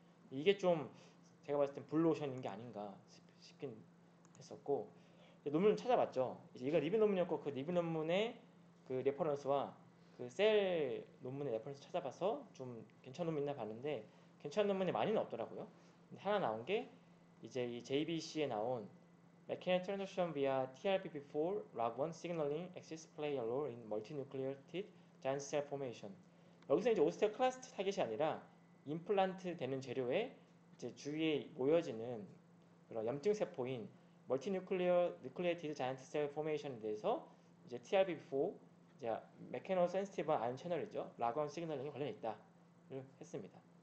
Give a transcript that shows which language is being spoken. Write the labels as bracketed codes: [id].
[ko] 이게 좀 제가 봤을 땐 블루오션인 게 아닌가 싶긴 했었고, 논문을 찾아봤죠. 이제 이거 리뷰 논문이었고, 그 리뷰 논문의 그 레퍼런스와 그 셀 논문의 레퍼런스 찾아봐서 좀 괜찮은 논문 있나 봤는데 괜찮은 논문이 많이는 없더라고요. 근데 하나 나온 게 이제 이 JBC에 나온 [en] Mechanical Transition via TRPV4 LAG1 Signaling Axis Play a Role in Multinucleated Giant Cell Formation. [ko] 여기서 이제 오스테클라스트 타겟이 아니라 임플란트 되는 재료에 이제 주위에 모여지는 그런 염증 세포인 Multinucleated Giant Cell Formation에 대해서 이제 TRPV4 이제 Mechanical Sensitive Ion Channel이죠, LAG1 Signaling이 관련이 있다를 했습니다.